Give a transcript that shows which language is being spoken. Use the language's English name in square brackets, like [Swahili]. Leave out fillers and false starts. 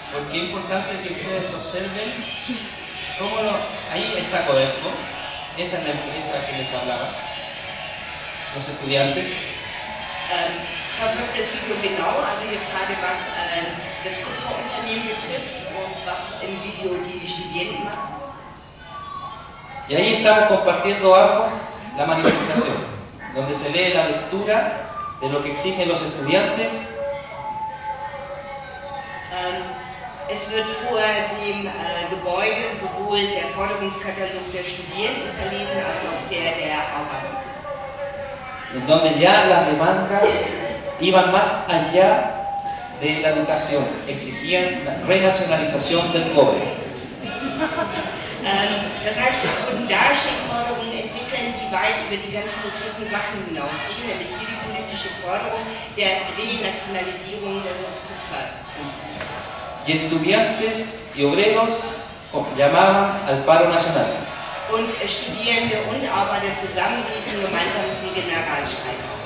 [Spanish] Qué importante que ustedes observen cómo lo... Ahí está Codelco, esa es la empresa que les hablaba. Los estudiantes. [German] Verfolgt das Video genau, also jetzt gerade was das Kupferunternehmen betrifft und was im Video die Studenten machen. [Spanish] Y ahí estamos compartiendo ambos la manifestación, donde se lee la lectura de lo que exigen los estudiantes. [German] Es wird vor dem Gebäude sowohl der Forderungskatalog der Studierenden verlesen als auch der der Arbeiter. [Spanish] En donde ya las demandas iban más allá de la educación, exigían la renacionalización del cobre. [German] Das heißt, es wurden da schon Forderungen entwickeln, die weit über die ganzen konkreten Sachen hinausgehen, nämlich hier die politische Forderung der Renationalisierung der Kupfer. [Spanish] Y estudiantes y obreros llamaban al paro nacional. [German] Und Studierende und Arbeiter zusammen riefen gemeinsam zum Generalstreik.